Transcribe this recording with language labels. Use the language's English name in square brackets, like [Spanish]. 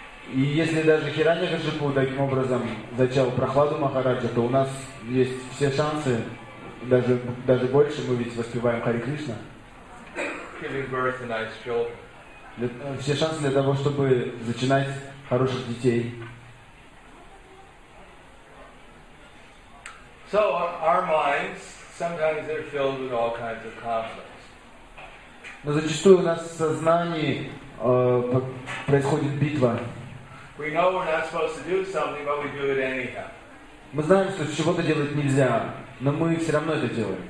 [Russian] И если даже Хиранья-Кашипу таким образом зачал Прохладу Махараджа, то у нас есть все шансы, даже больше, мы ведь воспеваем Харе Кришна. [English] Giving birth to nice children. [Russian] Все шансы для того, чтобы зачинать хороших детей. [English] So our minds, sometimes they're filled with all kinds of conflicts. [Russian] Но зачастую у нас в сознании происходит битва. [English] We know we're not supposed to do something, but we do it anyhow. [Russian] Мы знаем, что чего-то делать нельзя, но мы все равно это делаем.